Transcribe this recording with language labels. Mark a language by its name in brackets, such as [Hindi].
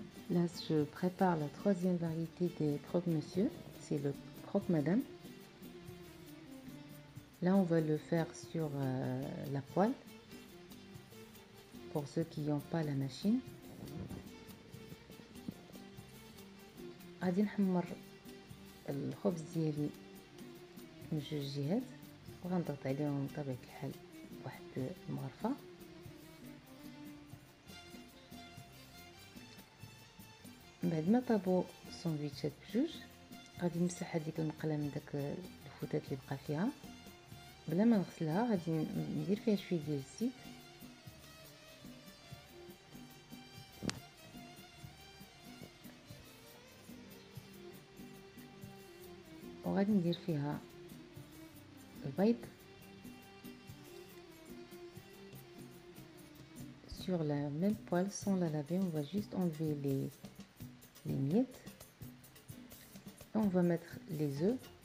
[French] Là je prépare la troisième variété des croque monsieur, c'est le croque madame. Là on va le faire sur la poêle pour ceux qui n'ont pas la machine. [Arabic] غادي نحمر الخبز ديالي من جوج جهات، وغنضغط عليهم بطبيعة الحال واحد المغرفة. بعد ما طابو الساندويتشات بجوج، غادي نمسح هذيك المقلاة من داك الفتات اللي بقى فيها بلا ما نغسلها. غادي ندير فيها شويه ديال الزيت، وغادي ندير فيها البيض [French] sur la même poêle sans la laver. On va juste enlever les miettes et on va mettre les œufs.